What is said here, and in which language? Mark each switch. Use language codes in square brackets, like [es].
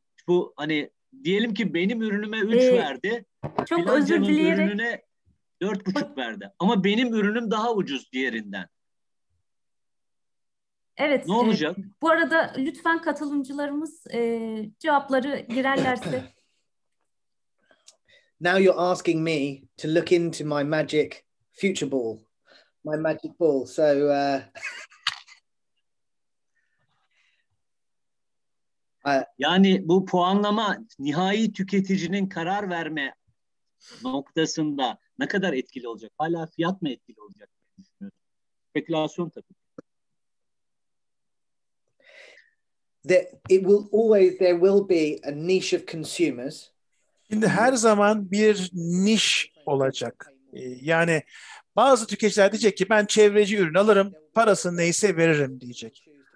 [tr] Bu hani diyelim ki benim ürünüme 3 verdi. Çok özür dileyerek. Bilancanın ürününe 4,5 verdi. Ama benim ürünüm daha ucuz diğerinden. Evet. Ne olacak? Bu arada lütfen katılımcılarımız cevapları girerlerse. [en] Now you're asking me to look into my magic future ball. My magic ball. So [tr] yani bu puanlama nihai tüketicinin karar verme noktasında ne kadar etkili olacak? Hala fiyat mı etkili olacak? Spekülasyon tabii. [en] There will be a niche of consumers. [tr] Şimdi her zaman bir niş olacak. Yani bazı tüketiciler diyecek ki ben çevreci ürün alırım, parasını neyse veririm diyecek.